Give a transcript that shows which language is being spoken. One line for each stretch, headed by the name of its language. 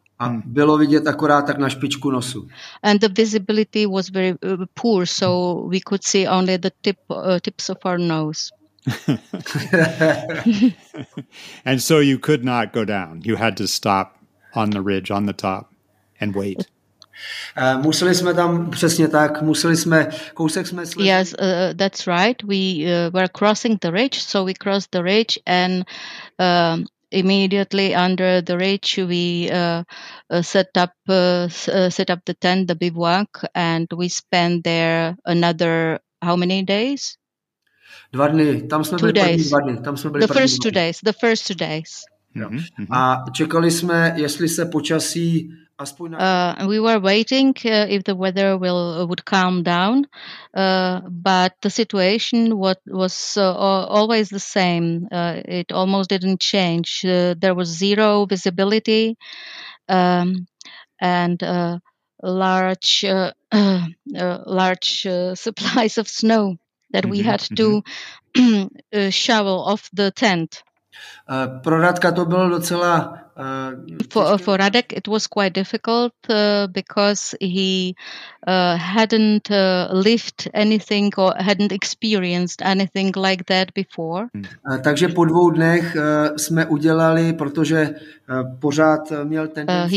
Czech: A bylo vidět akorát tak na špičku nosu.
English: And the visibility was very poor, so we could see only the tips of our nose. And so you could not go down. You had to stop on the ridge on the top and wait.
Czech: Museli jsme tam přesně tak, museli jsme kousek jsme slyšeli.
English: Yes, that's right. We were crossing the ridge, so we crossed the ridge, and immediately under the ridge we set up the tent, the bivouac, and we spent there another how many days?
Czech: Dva dny. Tam jsme
English: two
Czech: byli
English: days.
Czech: První dva dny. Tam jsme byli
English: the first two days. The first two days.
Czech: Mm-hmm. A čekali jsme, jestli se počasí aspoň na...
English: We were waiting if the weather would calm down, but the situation was always the same. It almost didn't change. There was zero visibility and large supplies of snow that we had to shovel off the tent.
Czech: Pro Radka to bylo docela
English: For Radek it was quite difficult because he hadn't lived anything or hadn't experienced anything like that before.
Czech: Takže po dvou dnech jsme udělali, protože pořád měl tendenci.